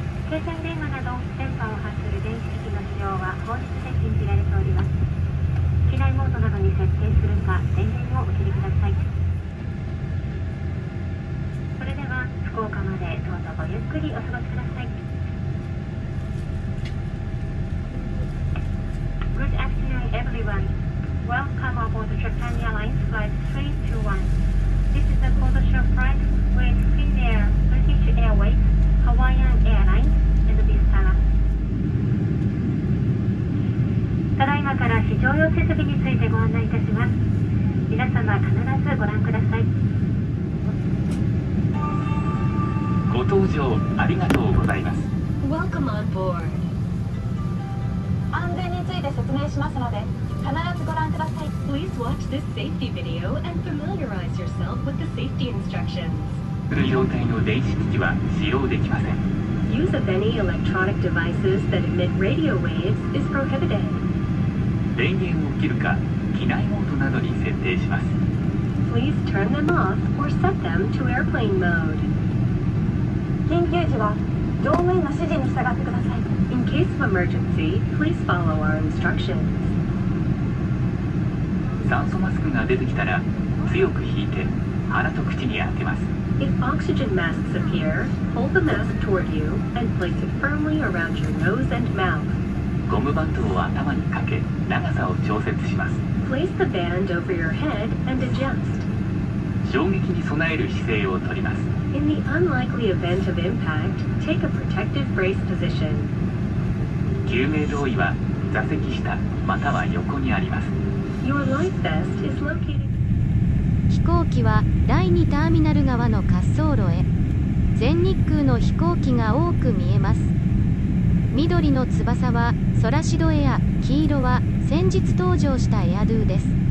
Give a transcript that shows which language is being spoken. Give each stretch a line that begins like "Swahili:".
Japanese: 携帯電話など、電波を発する電子機器の使用は法律で禁じられております。機内モードなどに設定するか、電源をお切りください。それでは、福岡までどうぞごゆっくりお過ごしください。
English: Good afternoon, everyone. Welcome aboard Japan Airlines Flight 321. This is a code share flight with Finnair, British Airways, Hawaiian Airlines, and Vistara.
Japanese: ただいまから非常用設備についてご案内いたします。皆様、必ずご覧ください。ご搭乗ありがとうございます。
English: Welcome aboard.
Japanese: 安全について説明しますので、必ずご覧ください。
English: Please watch this safety video and familiarize yourself with the safety instructions.
Japanese: 古い状態の電子機器は使用できません。
English: Use of any electronic devices that emit radio waves is prohibited.
Japanese: 電源を切るか、機内モードなどに設定します。
English: please turn them off or set them to airplane mode.
Japanese: 緊急時は乗務員の指示に従ってください。
English: In case of emergency, please follow our instructions.
Japanese: 酸素マスクが出てきたら強く引いて鼻と口に当てます。
English: If oxygen masks appear, hold the mask toward you and place it firmly around your nose and mouth.
Japanese: ゴムバンドを頭にかけ、長さを調節します。
English: Place the band over your head and adjust.
Japanese: 衝撃に備える姿勢をとります。
English: In the unlikely event of impact, take a protective brace position.
Japanese: 救命胴衣は座席下または横にあります。
English: Your life vest is located...
Japanese: 飛行機は第2ターミナル側の滑走路へ。全日空の飛行機が多く見えます。緑の翼はソラシドエア、黄色は先日登場したエアドゥです。